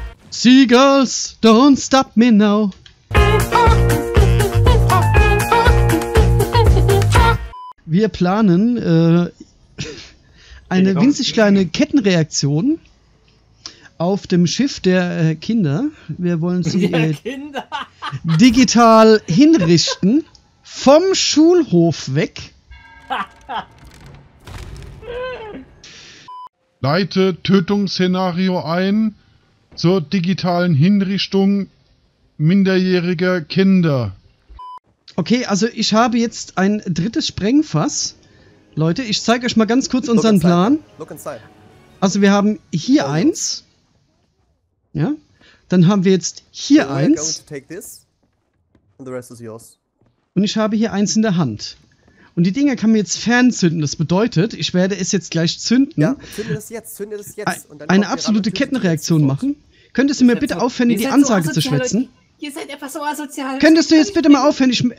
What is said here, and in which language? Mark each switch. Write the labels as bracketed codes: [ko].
[en] Seagulls, don't stop me now. [de] Wir planen eine winzig kleine Kettenreaktion auf dem Schiff der Kinder. Wir wollen sie digital hinrichten. Vom Schulhof weg. Leite Tötungsszenario ein zur digitalen Hinrichtung minderjähriger Kinder. Okay, also ich habe jetzt ein drittes Sprengfass. Leute, ich zeige euch mal ganz kurz unseren Plan. [en] Look inside. [de] Also wir haben hier eins. Ja, dann haben wir jetzt hier eins. [en] Going to take this, and the rest is yours. [de] Und ich habe hier eins in der Hand. Und die Dinger kann man jetzt fernzünden. Das bedeutet, ich werde es jetzt gleich zünden. Ja, zünde das jetzt. Und dann eine absolute Kettenreaktion machen. Könntest du mir bitte aufhören, die Ansage zu schwätzen? Ihr seid einfach so asozial. Könntest du jetzt bitte mal aufhören?